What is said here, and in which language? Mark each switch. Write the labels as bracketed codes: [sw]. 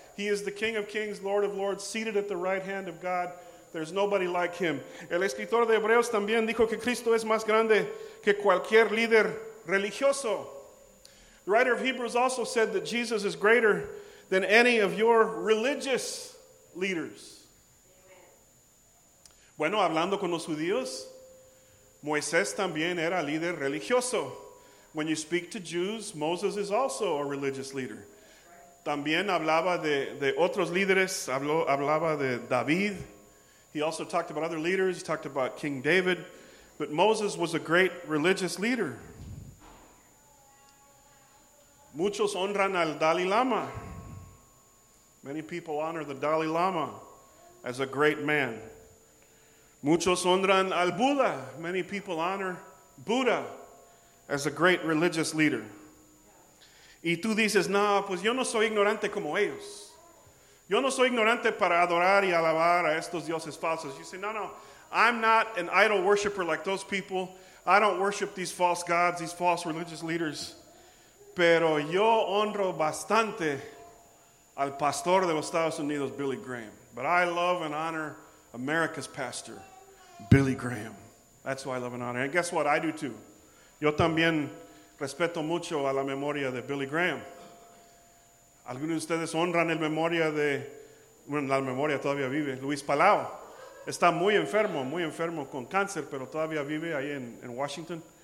[en] He is the King of Kings, Lord of Lords, seated at the right hand of God. There's nobody like him. [es] El escritor de Hebreos también dijo que Cristo es más grande que cualquier líder religioso. [en] The writer of Hebrews also said that Jesus is greater than any of your religious leaders. [es] Bueno, hablando con los judíos, Moisés también era líder religioso. [en] When you speak to Jews, Moses is also a religious leader. [es] También hablaba de otros líderes, hablaba de David. [en] He also talked about other leaders. He talked about King David. But Moses was a great religious leader. [es] Muchos honran al Dalai Lama. [en] Many people honor the Dalai Lama as a great man. [es] Muchos honran al Buda. [en] Many people honor Buddha as a great religious leader. [es] Y tú dices, no, pues yo no soy ignorante como ellos. Yo no soy ignorante para adorar y alabar a estos dioses falsos. [en] You say, no, no, I'm not an idol worshiper like those people. I don't worship these false gods, these false religious leaders. [es] Pero yo honro bastante al pastor de los Estados Unidos, Billy Graham. [en] But I love and honor America's pastor, Billy Graham. That's why I love and honor. And guess what? I do too. [es] Yo también respeto mucho a la memoria de Billy Graham. Algunos de ustedes honran el memoria de, bueno, la memoria todavía vive, Luis Palau. Está muy enfermo con cáncer, pero todavía vive ahí en Washington.